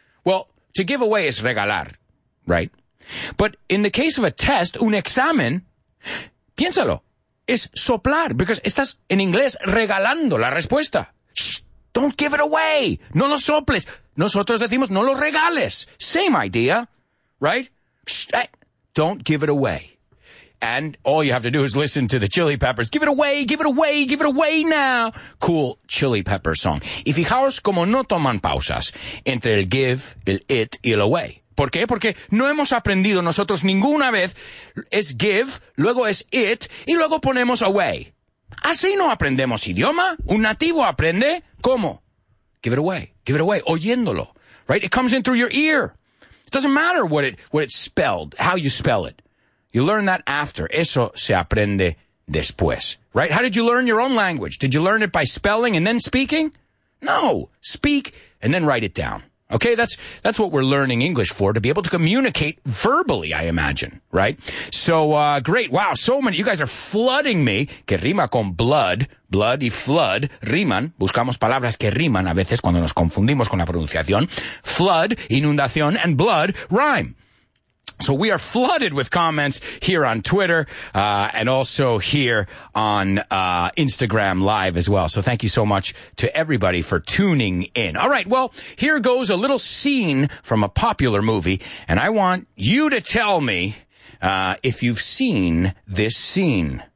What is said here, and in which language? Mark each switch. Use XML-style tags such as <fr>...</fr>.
<en>Well, to give away is regalar, right? But in the case of a test,</en> <es>un examen, piénsalo, es soplar,</es> <en>because</en> <es>estás en inglés regalando la respuesta.</es> <en>Shh, don't give it away.</en> <es>No lo soples. Nosotros decimos no lo regales.</es> <en>Same idea, right? Shh, don't give it away. And all you have to do is listen to the Chili Peppers. Give it away, give it away, give it away now. Cool Chili Pepper song.</en> <es>Y fijaos cómo no toman pausas entre el give, el it y el away. ¿Por qué? Porque no hemos aprendido nosotros ninguna vez. Es give, luego es it, y luego ponemos away. Así no aprendemos idioma. Un nativo aprende. ¿Cómo?</es> <en>Give it away,</en> <es>oyéndolo.</es> <en>Right? It comes in through your ear. It doesn't matter what it's spelled, how you spell it. You learn that after.</en> <es>Eso se aprende después.</es> <en>Right? How did you learn your own language? Did you learn it by spelling and then speaking? No. Speak and then write it down. Okay, that's what we're learning English for, to be able to communicate verbally, I imagine, right? So, great. Wow, so many. You guys are flooding me.</en> <es>Que rima con blood. Blood y flood riman. Buscamos palabras que riman a veces cuando nos confundimos con la pronunciación.</es> <en>Flood, inundación, and blood rhyme. So we are flooded with comments here on Twitter and also here on Instagram Live as well. So thank you so much to everybody for tuning in. All right, well, here goes a little scene from a popular movie, and I want you to tell me if you've seen this scene.</en>